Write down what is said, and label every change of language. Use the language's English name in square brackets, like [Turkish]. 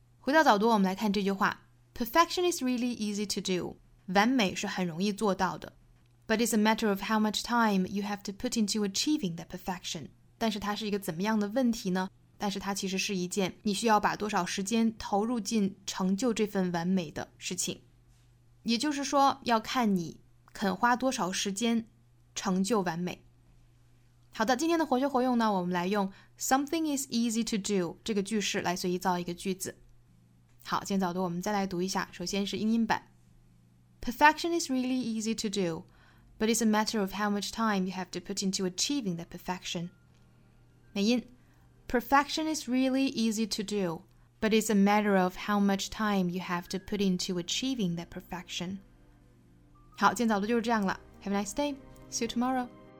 [Chinese] 回到早读，我们来看这句话， [English] Perfection is really easy to do， [Chinese] 完美是很容易做到的， [English] But it's a matter of how much time you have to put into achieving that perfection。 [Chinese] 但是它是一个怎么样的问题呢？但是它其实是一件你需要把多少时间投入进成就这份完美的事情，也就是说要看你肯花多少时间成就完美。好的，今天的活学活用呢，我们来用 [English] something is easy to do [Chinese] 这个句式来随意造一个句子。好，今天早读我们再来读一下，首先是英音版。 [English] Perfection is really easy to do, but it's a matter of how much time you have to put into achieving that perfection. [Chinese] 美音 [English] Perfection is really easy to do, but it's a matter of how much time you have to put into achieving that perfection. [Chinese] 好，今天早读就是这样了。 [English] Have a nice day. See you tomorrow.